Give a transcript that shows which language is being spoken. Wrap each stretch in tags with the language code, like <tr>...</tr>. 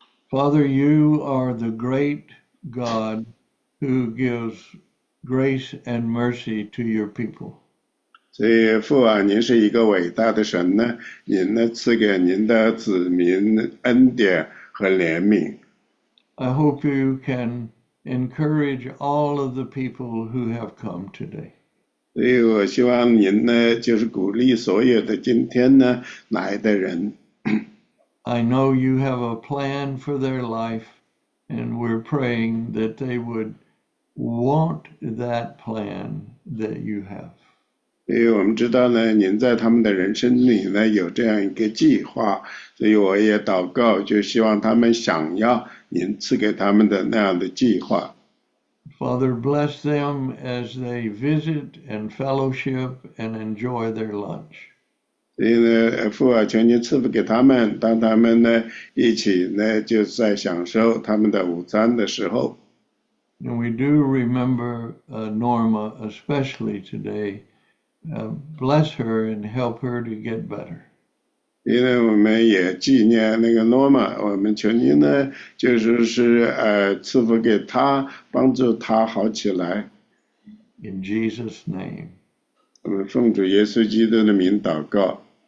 <en>Father, you are the great God who gives grace and mercy to your people.</en> <zh>所以父啊，您是一个伟大的神呢，您呢赐给您的子民恩典和怜悯。</zh> <en>I hope you can encourage all of the people who have come today.</en> <zh>所以我希望您呢，就是鼓励所有的今天呢来的人。</zh> <en>I know you have a plan for their life, and we're praying that they would want that plan that you have.</en> <zh>因为我们知道呢，您在他们的人生里呢有这样一个计划，所以我也祷告，就希望他们想要您赐给他们的那样的计划。</zh> <en>Father, bless them as they visit and fellowship and enjoy their lunch.</en> <zh>所以呢，父啊，求您赐福给他们，当他们呢一起呢就在享受他们的午餐的时候。</zh> <en>And we do remember Norma especially today. Bless her and help her to get better.</en> <zh>因为我们也纪念那个诺玛，我们求您呢，就是赐福给他，帮助他好起来。</zh> <en>In Jesus' name.</en> <zh>我们奉主耶稣基督的名祷告。</zh>